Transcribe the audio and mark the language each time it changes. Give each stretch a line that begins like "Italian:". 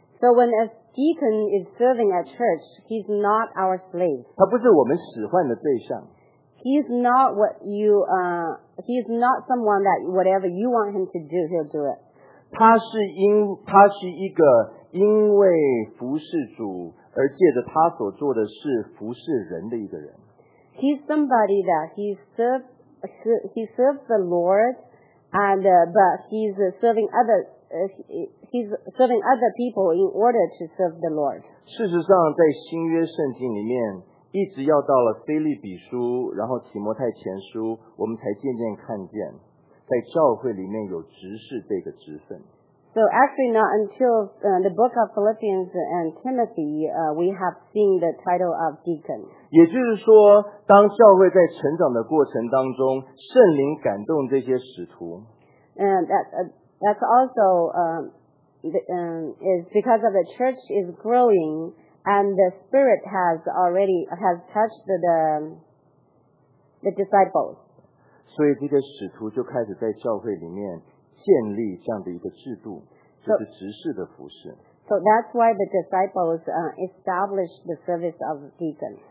English: So when a deacon is serving at church, he's not our slave.
Chinese: 他不是我们使唤的对象。
English: He's not someone that whatever you want him to do, he'll do it.
Chinese: 他是一个因为服侍主而借着他所做的事服侍人的一个人。
English: He's somebody that he serves the Lord, and but he's serving others. He's serving other people in order to serve the Lord.
Chinese: 事实上，在新约圣经里面，一直要到了腓立比书，然后提摩太前书，我们才渐渐看见，在教会里面有执事这个职分。
English: So actually, not until the book of Philippians and Timothy, we have seen the title of deacon.
Chinese: 也就是说，当教会在成长的过程当中，圣灵感动这些使徒。
English: That's also is because of the church is growing and the Spirit has touched the disciples.
Chinese: 所以这个使徒就开始在教会里面建立这样的一个制度，就是执事的服事。
English: So that's why the disciples established the service of deacons.